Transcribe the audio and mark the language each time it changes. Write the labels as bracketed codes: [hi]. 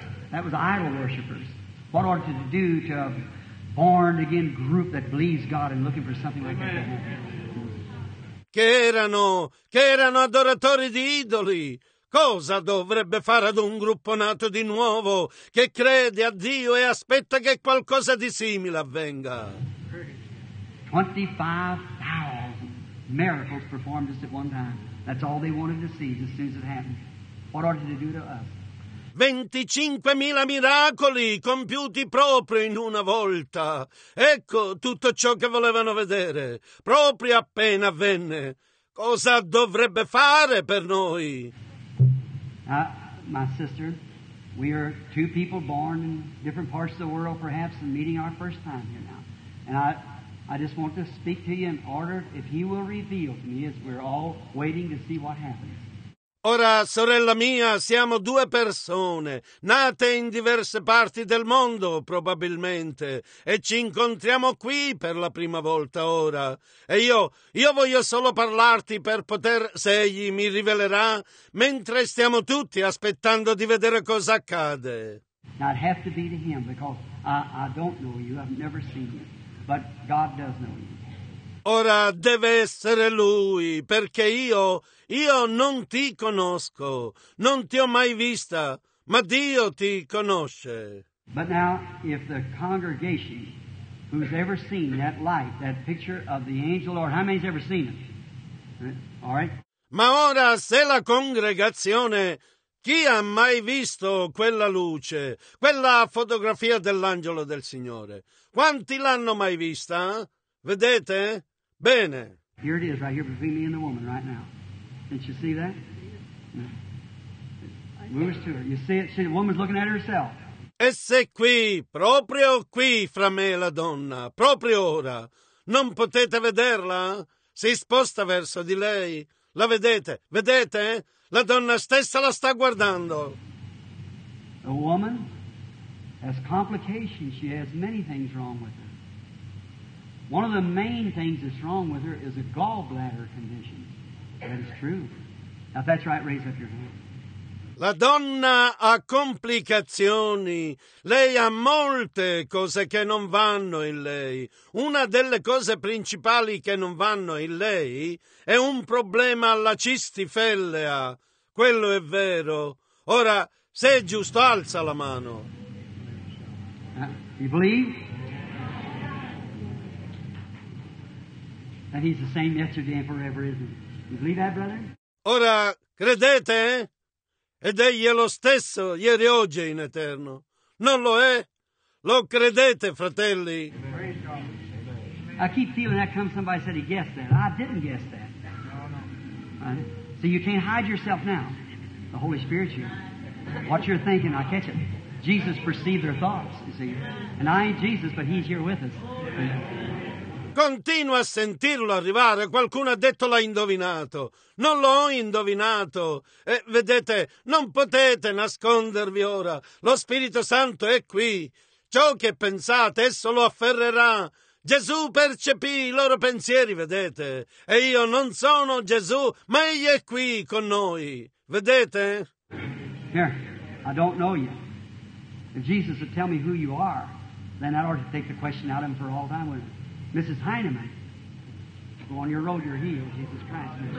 [en] That was idol worshippers. What ought to do to a born again group that believes God and looking for something like that? [it] Che erano adoratori di idoli. Cosa dovrebbe fare ad un gruppo nato di nuovo che crede a Dio e aspetta che qualcosa di simile avvenga? [en] 25,000 miracles performed just at one time. That's all they wanted to see as soon as it happened. What ought to do to us? [it] 25,000 miracoli compiuti proprio in una volta. Ecco tutto ciò che volevano vedere, proprio appena avvenne. Cosa dovrebbe fare per noi? [en] My sister, we are two people born in different parts of the world, perhaps, and meeting our first time here now. And I just want to speak to you in order, if he will reveal to me, as we're all waiting to see what happens. [it] Ora, sorella mia, siamo due persone, nate in diverse parti del mondo, probabilmente, e ci incontriamo qui per la prima volta ora. E io voglio solo parlarti per poter, se egli mi rivelerà, mentre stiamo tutti aspettando di vedere cosa accade. [en] Now it has to be to him, because I don't know you, I've never seen you. But God does know you. [it] Ora deve essere lui, perché io non ti conosco, non ti ho mai vista, ma Dio ti conosce. [en] But now, if the congregation who's ever seen that light, that picture of the angel, or how many's ever seen it? All right? [it] Ma ora, se la congregazione, chi ha mai visto quella luce, quella fotografia dell'angelo del Signore? Quanti l'hanno mai vista? Vedete? Bene. [en] Here it is, right here between me and the woman, right now. Didn't you see that? No. Moves to her. You see it? See, the woman's looking at herself. [it] Esse qui, proprio qui, fra me e la donna, proprio ora. Non potete vederla? Si sposta verso di lei. La vedete? Vedete? La donna stessa la sta guardando. [en] A woman has complications. She has many things wrong with her. One of the main things that's wrong with her is a gallbladder condition. That is true. Now, if that's right, raise up your hand. [it] La donna ha complicazioni. Lei ha molte cose che non vanno in lei. Una delle cose principali che non vanno in lei è un problema alla cistifellea. Quello è vero. Ora, se è giusto, alza la mano. [en] You believe? That he's the same yesterday and forever, isn't he? You believe that, brother? [it] Ora, credete? Ed egli è lo stesso, ieri, oggi e in eterno. Non lo è? Lo credete, fratelli? [en] Amen. Praise God. Amen. I keep feeling that comes. Somebody said he guessed that. I didn't guess that. Right? So you can't hide yourself now. The Holy Spirit, you. What you're thinking, I catch it. Jesus perceived their thoughts, you see. And I ain't Jesus, but he's here with us. [it] Continua a sentirlo arrivare. Qualcuno ha detto l'ha indovinato. Non l'ho indovinato. E vedete, non potete nascondervi ora. Lo Spirito Santo è qui. Ciò che pensate, esso lo afferrerà. Gesù percepì i loro pensieri, vedete. E io non sono Gesù, ma egli è qui con noi. Vedete? [en] Here, I don't know you. If Jesus would tell me who you are, then I ought to take the question out of him for all time with him. Mrs. Heinemann, go on your road, your heel, Jesus Christ.